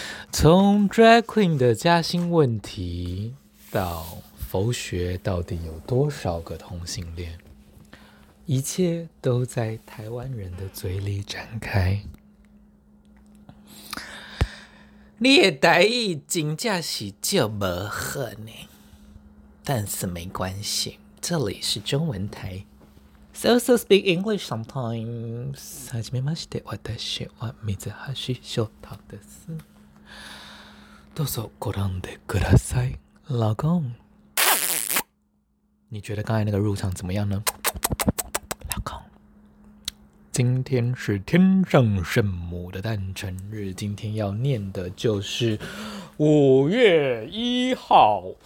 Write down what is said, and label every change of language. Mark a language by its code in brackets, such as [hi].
[zh] 从 drag queen 的加薪问题到佛学到底有多少个同性恋，一切都在台湾人的嘴里展开。你的台语真的是很不好呢，但是没关系，这里是中文台。 [en] So speak English sometimes. [ja] 初めまして、私は水橋翔太です。どうぞご覧でください。 [zh] 老公，你觉得刚才那个入场怎么样呢？今天是天上圣母的诞辰日，今天要念的就是五月一号。